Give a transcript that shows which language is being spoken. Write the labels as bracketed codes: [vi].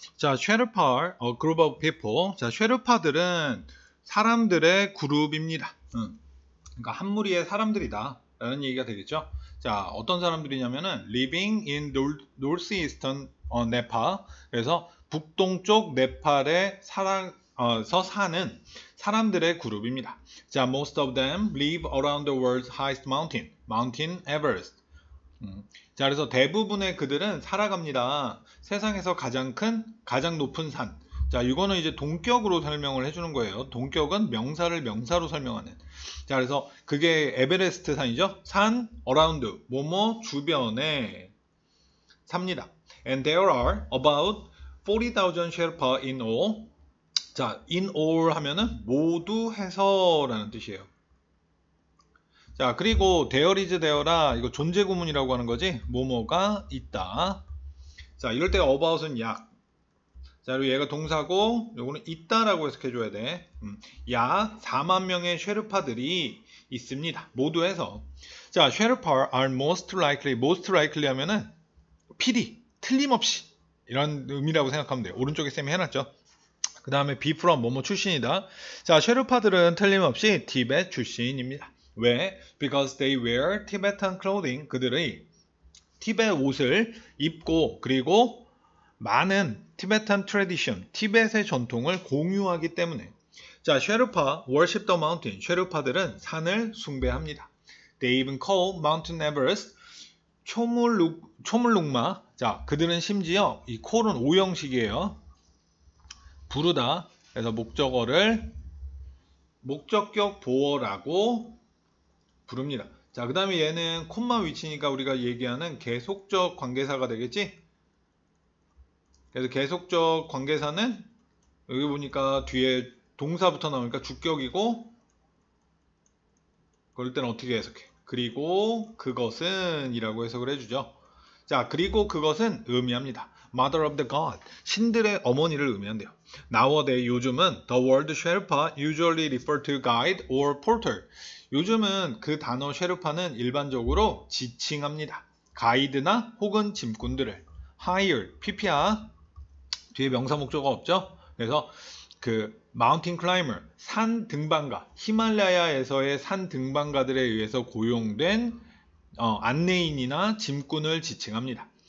[en] 자, 쉐르파, a group of people. [ko] 자, 쉐르파들은 사람들의 그룹입니다. 그러니까 한 무리의 사람들이다라는 얘기가 되겠죠. 자, 어떤 사람들이냐면은 [en] living in northeastern Nepal. [ko] 그래서 북동쪽 네팔에 사는 사람들의 그룹입니다. [en] 자, most of them live around the world's highest mountain, Mount Everest. [ko] 자, 그래서 대부분의 그들은 살아갑니다. 세상에서 가장 큰, 가장 높은 산. 자, 이거는 이제 동격으로 설명을 해주는 거예요. 동격은 명사를 명사로 설명하는. 자, 그래서 그게 에베레스트 산이죠? 산, around, 뭐뭐 주변에 삽니다. [en] And there are about 40,000 Sherpa in all. [ko] 자, in all 하면은 모두 해서라는 뜻이에요. 자, 그리고 there is, there라 이거 존재구문이라고 하는 거지? 뭐뭐가 있다. 자, 이럴 때 about은 약. 자, 그리고 얘가 동사고, 요거는 있다라고 해석해줘야 돼. 약 4만 명의 쉐르파들이 있습니다. 모두 해서. 자, [en] Sherpa are most likely [ko] 하면은 필히, 틀림없이 이런 의미라고 생각하면 돼요. 오른쪽에 쌤이 해놨죠? 그 다음에 be from 뭐뭐 출신이다. 자, 쉐르파들은 틀림없이 티벳 출신입니다. 왜? [en] Because they wear Tibetan clothing. [ko] 그들의 티벳 옷을 입고, 그리고 많은 티베탄 트레디션, 티벳의 전통을 공유하기 때문에. [en] 자, 쉐르파 worship the mountain. [ko] 쉐르파들은 산을 숭배합니다. [en] They even call Mountain Everest 초물룩마. [ko] 자, 그들은 심지어 이 콜은 오형식이에요. 부르다. 그래서 목적어를 목적격 보어라고 부릅니다. 자, 그 다음에 얘는 콤마 위치니까 우리가 얘기하는 계속적 관계사가 되겠지? 그래서 계속적 관계사는 여기 보니까 뒤에 동사부터 나오니까 주격이고, 그럴 때는 어떻게 해석해? 그리고 그것은 이라고 해석을 해주죠. 자, 그리고 그것은 의미합니다. [en] Mother of the God, [ko] 신들의 어머니를 의미한대요. [en] Nowadays, [ko] 요즘은 [en] the word Sherpa usually refer to guide or porter. [ko] 요즘은 그 단어 Sherpa는 일반적으로 지칭합니다. 가이드나 혹은 짐꾼들을. Hire, PPR, 뒤에 명사 목적어 없죠? 그래서 그 Mountain Climber, 산 등반가, 히말라야에서의 산 등반가들에 의해서 고용된 안내인이나 짐꾼을 지칭합니다.